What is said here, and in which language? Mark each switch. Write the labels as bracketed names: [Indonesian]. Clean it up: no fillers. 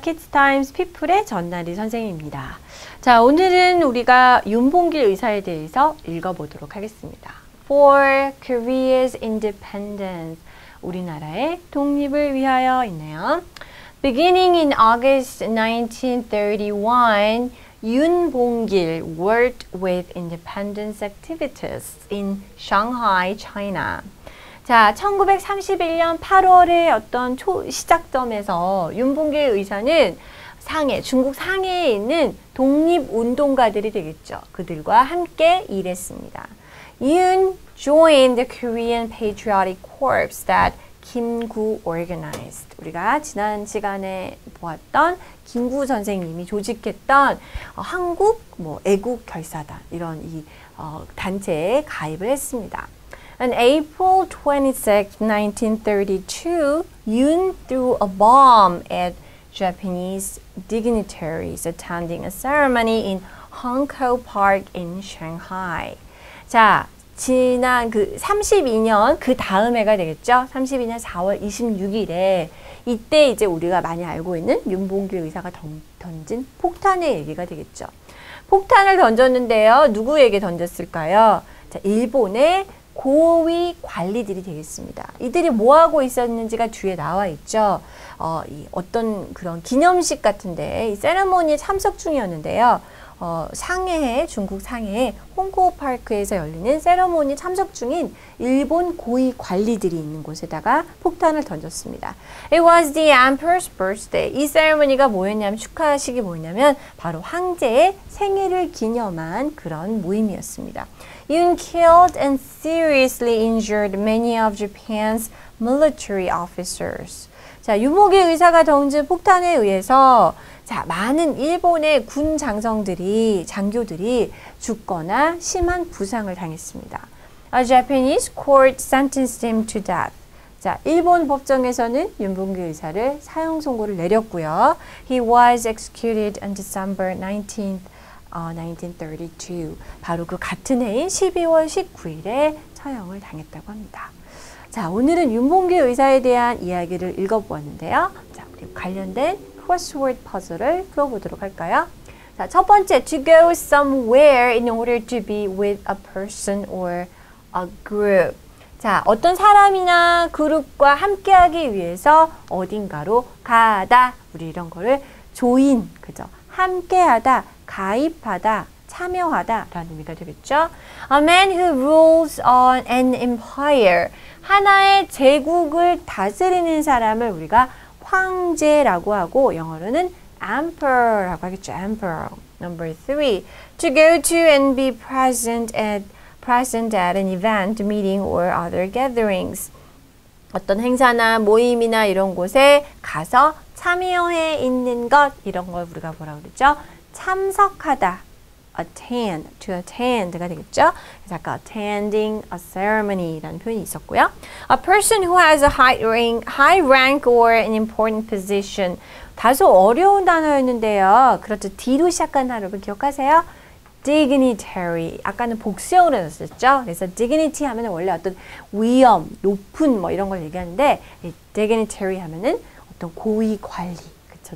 [English] Kids Times People [Korean] 의 전나리 선생님입니다. 자, 오늘은 우리가 윤봉길 의사에 대해서 읽어보도록 하겠습니다. [English] For Korea's independence. [Korean] 우리나라의 독립을 위하여 있네요. [English] Beginning in August 1931, 윤봉길 worked with independence activists in Shanghai, China. [Korean] 자, 1931년 8월에 어떤 시작점에서 윤봉길 의사는 상해, 중국 상해에 있는 독립운동가들이 되겠죠. 그들과 함께 일했습니다. [English] Yun joined the Korean Patriotic Corps that Kim Gu organized. [Korean] 우리가 지난 시간에 보았던 김구 선생님이 조직했던 한국 애국결사단 이런 이 단체에 가입을 했습니다. [English] On April 26, 1932, Yun threw a bomb at Japanese dignitaries attending a ceremony in Hongkou Park in Shanghai. [Korean] 자, 지난 그 32년 그 다음 해가 되겠죠? 32년 4월 26일에 이때 이제 우리가 많이 알고 있는 윤봉길 의사가 던진 폭탄의 얘기가 되겠죠. 폭탄을 던졌는데요. 누구에게 던졌을까요? 자, 일본의 고위 관리들이 되겠습니다. 이들이 뭐 하고 있었는지가 뒤에 나와 있죠. 이 어떤 그런 기념식 같은데 이 세레모니에 참석 중이었는데요. 상해 중국 상해의 홍콩 파크에서 열리는 세레모니 참석 중인 일본 고위 관리들이 있는 곳에다가 폭탄을 던졌습니다. [English] It was the emperor's birthday. [Korean] 이 세레모니가 뭐였냐면 축하식이 뭐였냐면 바로 황제의 생일을 기념한 그런 모임이었습니다. [English] Yun killed and seriously injured many of Japan's military officers. [Korean] 자, 윤봉길 의사가 던진 폭탄에 의해서 자, 많은 일본의 군 장성들이, 장교들이 죽거나 심한 부상을 당했습니다. [English] A Japanese court sentenced him to death. [Korean] 자, 일본 법정에서는 윤봉길 의사를 사형 선고를 내렸고요. He was executed on December 1932. 바로 그 같은 해인 12월 19일에 처형을 당했다고 합니다. 자, 오늘은 윤봉길 의사에 대한 이야기를 읽어보았는데요. 자, 우리 관련된 crossword 퍼즐을 풀어보도록 할까요? 자, 첫 번째, [English] to go somewhere in order to be with a person or a group. [Korean] 자, 어떤 사람이나 그룹과 함께하기 위해서 어딘가로 가다. 우리 이런 거를 join, 그죠? 함께하다, 가입하다, 참여하다 라는 의미가 되겠죠? [English] A man who rules on an empire. [Korean] 하나의 제국을 다스리는 사람을 우리가 황제라고 하고 영어로는 emperor라고 하겠죠. [English] emperor. Number three, to go to and be present at an event, meeting or other gatherings. [Korean] 어떤 행사나 모임이나 이런 곳에 가서 참여해 있는 것 이런 걸 우리가 뭐라고 그러죠? 참석하다. [English] attend, to attend가 [Korean] 되겠죠. 그래서 아까 [English] attending a ceremony [Korean] 라는 표현이 있었고요. [English] A person who has a high rank or an important position. [Korean] 다소 어려운 단어였는데요. 그렇죠. D로 시작한 단어를 기억하세요. [English] Dignitary. [Korean] 아까는 복수형으로 썼었죠. 그래서 dignity 하면 원래 어떤 위엄, 높은 뭐 이런 걸 얘기하는데 dignitary 하면은 어떤 고위 관리, 그렇죠.